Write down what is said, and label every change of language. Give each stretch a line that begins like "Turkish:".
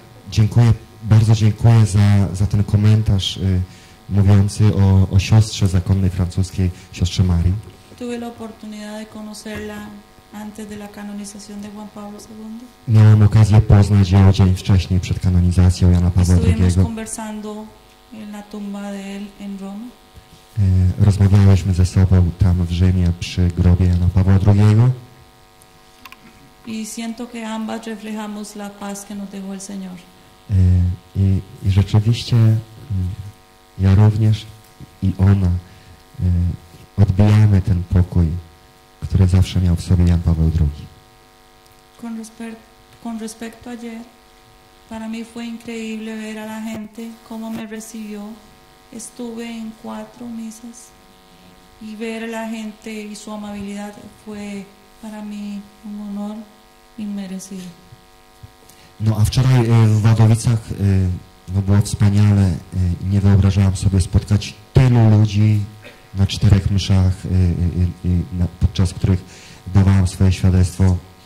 Polish: Dziękuję, bardzo dziękuję za ten komentarz mówiący o siostrze zakonnej francuskiej, siostrze Marii.
Spanish: Tuve la oportunidad de conocerla antes de la canonización de Juan Pablo II.
Polish: Miałem okazję poznać ją dzień wcześniej przed kanonizacją Jana Pawła
Spanish: II. Na tumba de él en Roma.
Polish: Rozmawiałyśmy ze sobą tam w Rzymie przy grobie Jana Pawła II.
Spanish: Y siento que ambas reflejamos la paz que nos dejó el Señor.
Polish: I rzeczywiście ja również i ona odbijamy ten pokój, który zawsze miał w sobie Jan Paweł II.
Spanish: Con respecto ayer. Para mí fue increíble ver a la gente cómo me recibió. Estuve en cuatro misas y ver a la gente y su amabilidad fue para mí un honor inmerecido.
Polish: No, a wczoraj w Wadowicach no było wspaniale. Nie wyobrażałam sobie spotkać tylu ludzi na czterech mszach, podczas których dawałam swoje świadectwo.